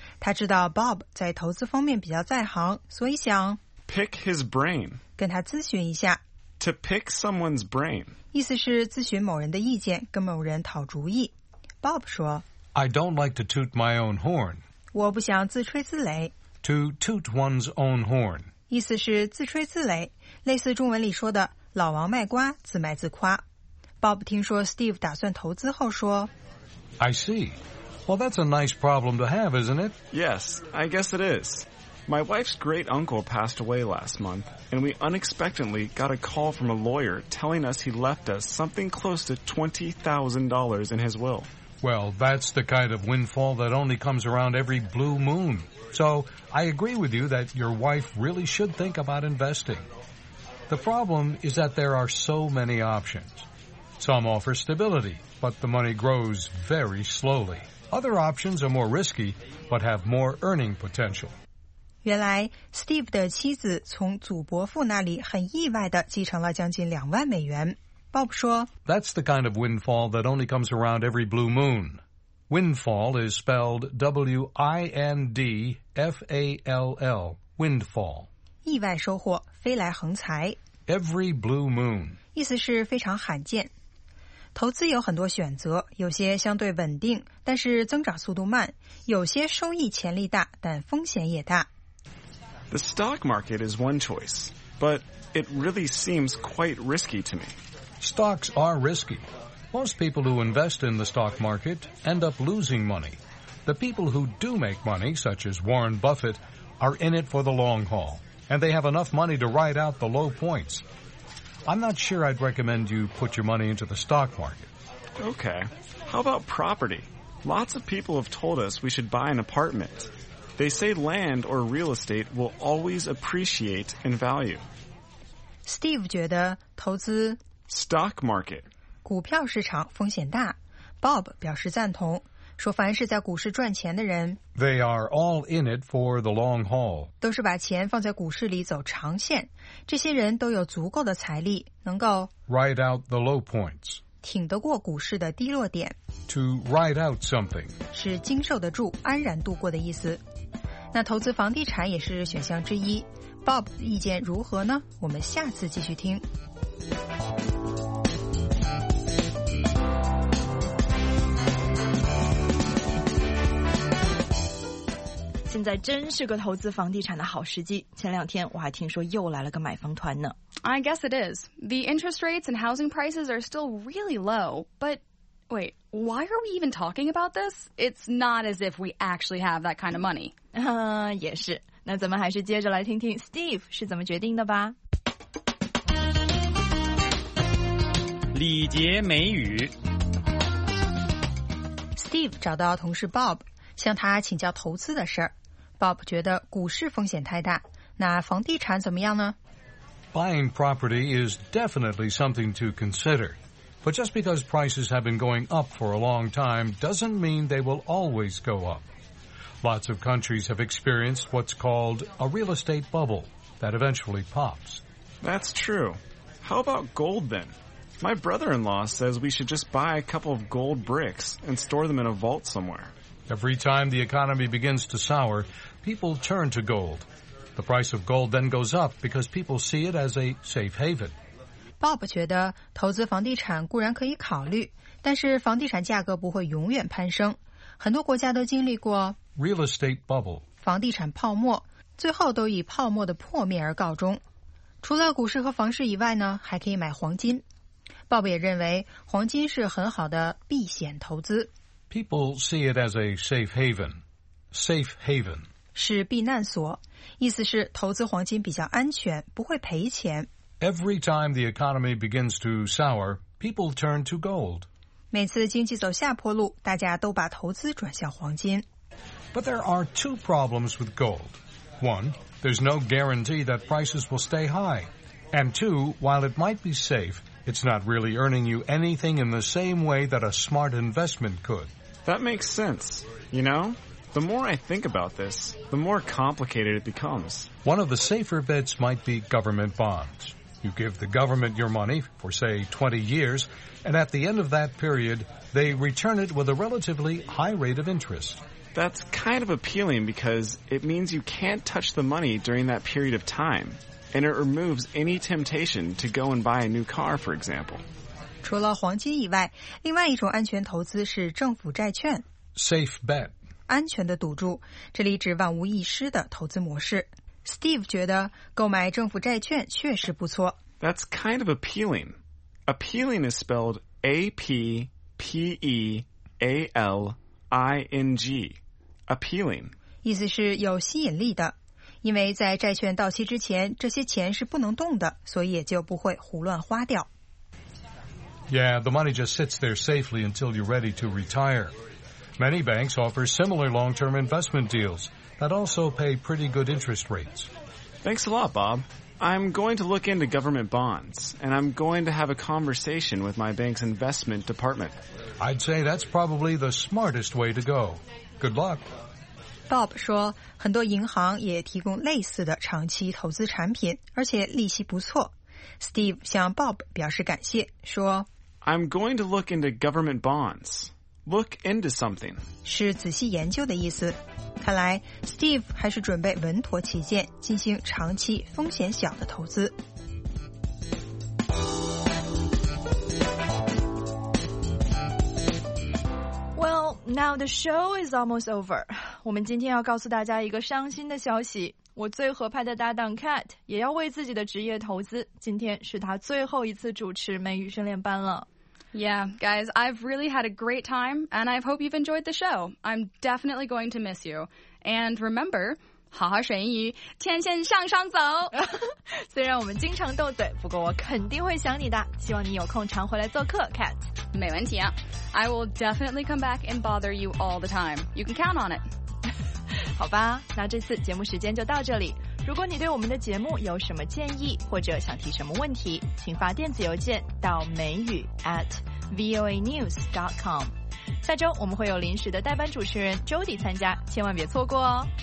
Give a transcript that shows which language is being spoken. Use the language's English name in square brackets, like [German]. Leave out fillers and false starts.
[Chinese] 他知道 Bob 在投资方面比较在行，所以想 [English] pick his brain， [Chinese] 跟他咨询一下。 [English] To pick someone's brain， [Chinese] 意思是咨询某人的意见，跟某人讨主意。 Bob 说 [English] ：“I don't like to toot my own horn。” [Chinese] 我不想自吹自擂。 [English] To toot one's own horn， [Chinese] 意思是自吹自擂，类似中文里说的“老王卖瓜，自卖自夸”。 Bob 听说 Steve 打算投资后说 [English] I see. Well, that's a nice problem to have, isn't it? Yes, I guess it is. My wife's great uncle passed away last month, and we unexpectedly got a call from a lawyer telling us he left us something close to $20,000 in his will. Well, that's the kind of windfall that only comes around every blue moon. So I agree with you that your wife really should think about investing. The problem is that there are so many options. Some offer stability, but the money grows very slowly. Other options are more risky, but have more earning potential. [Chinese] 原来 Steve 的妻子从祖伯父那里很意外地继承了将近$20,000。 Bob 说 [English] That's the kind of windfall that only comes around every blue moon. Windfall is spelled W-I-N-D-F-A-L-L, windfall. [Chinese] 意外收获，飞来横财。 [English] Every blue moon. [Chinese] 意思是非常罕见。投资有很多选择，有些相对稳定，但是增长速度慢；有些收益潜力大，但风险也大。 [English] The stock market is one choice, but it really seems quite risky to me. Stocks are risky. Most people who invest in the stock market end up losing money. The people who do make money, such as Warren Buffett, are in it for the long haul, and they have enough money to ride out the low points. I'm not sure I'd recommend you put your money into the stock market. Okay. How about property? Lots of people have told us we should buy an apartment. They say land or real estate will always appreciate in value. [Chinese] Steve 觉得投资 [English] stock market [Chinese] 股票市场风险大。 Bob 表示赞同，说凡是在股市赚钱的人 [English] they are all in it for the long haul [Chinese] 都是把钱放在股市里走长线，这些人都有足够的财力能够 [English] ride out the low points [Chinese] 挺得过股市的低落点。 [English] To ride out something [Chinese] 是经受得住、安然度过的意思。那投资房地产也是选项之一， Bob 意见如何呢？我们下次继续听。现在真是个投资房地产的好时机，前两天我还听说又来了个买房团呢。 [English] I guess it is. The interest rates and housing prices are still really low. But wait, why are we even talking about this? It's not as if we actually have that kind of money. [Chinese] 也是，那咱们还是接着来听听 Steve 是怎么决定的吧。礼节美语。 Steve 找到同事 Bob， 向他请教投资的事儿。 Bob 觉得股市风险太大，那房地产怎么样呢？ [English] Buying property is definitely something to consider. But just because prices have been going up for a long time doesn't mean they will always go up. Lots of countries have experienced what's called a real estate bubble that eventually pops. That's true. How about gold then? My brother-in-law says we should just buy a couple of gold bricks and store them in a vault somewhere. Every time the economy begins to sour, people turn to gold. The price of gold then goes up because people see it as a safe haven. [Chinese] Bob 觉得投资房地产固然可以考虑，但是房地产价格不会永远攀升。很多国家都经历过 [English] real estate bubble [Chinese] 房地产泡沫，最后都以泡沫的破灭而告终。除了股市和房市以外呢，还可以买黄金。Bob 也认为黄金是很好的避险投资。 [English] People see it as a safe haven. Safe haven. [Chinese] 是避难所，意思是投资黄金比较安全，不会赔钱。 [English] Every time the economy begins to sour, people turn to gold. [Chinese] 每次经济走下坡路，大家都把投资转向黄金。 [English] But there are two problems with gold. One, there's no guarantee that prices will stay high. And two, while it might be safe, it's not really earning you anything in the same way that a smart investment could. That makes sense, you know? The more I think about this, the more complicated it becomes. One of the safer bets might be government bonds. You give the government your money for, say, 20 years, and at the end of that period, they return it with a relatively high rate of interest. That's kind of appealing because it means you can't touch the money during that period of time, and it removes any temptation to go and buy a new car, for example. [Chinese] 除了黄金以外，另外一种安全投资是政府债券。 [English] Safe bet. [Chinese] 安全的赌注，这里指万无一失的投资模式。 Steve 觉得购买政府债券确实不错。 [English] That's kind of appealing. Appealing is spelled A-P-P-E-A-L-I-N-G. Appealing. [Chinese] 意思是有吸引力的，因为在债券到期之前，这些钱是不能动的，所以也就不会胡乱花掉。 [English] Yeah, the money just sits there safely until you're ready to retire. Many banks offer similar long-term investment deals that also pay pretty good interest rates. Thanks a lot, Bob. I'm going to look into government bonds, and I'm going to have a conversation with my bank's investment department. I'd say that's probably the smartest way to go. Good luck. [Chinese] Bob 说，很多银行也提供类似的长期投资产品，而且利息不错。 Steve 向 Bob 表示感谢，说 [English] I'm going to look into government bonds. Look into something. [Chinese] 是仔细研究的意思。看来 Steve 还是准备稳妥起见，进行长期风险小的投资。 [English] Well, now the show is almost over. [Chinese] 我们今天要告诉大家一个伤心的消息。我最合拍的搭档 Cat 也要为自己的职业投资。今天是他最后一次主持美语训练班了。 [English] Yeah, guys, I've really had a great time, and I hope you've enjoyed the show. I'm definitely going to miss you. And remember, [Chinese] 好好学英语，天线向上走。虽然我们经常斗嘴，不过我肯定会想你的。希望你有空常回来做客 ，Cat。没问题啊。 [English] I will definitely come back and bother you all the time. You can count on it. [Chinese] 好吧，那这次节目时间就到这里。如果你对我们的节目有什么建议或者想提什么问题，请发电子邮件到美语 @voanews.com。下周我们会有临时的代班主持人 Jody 参加，千万别错过哦。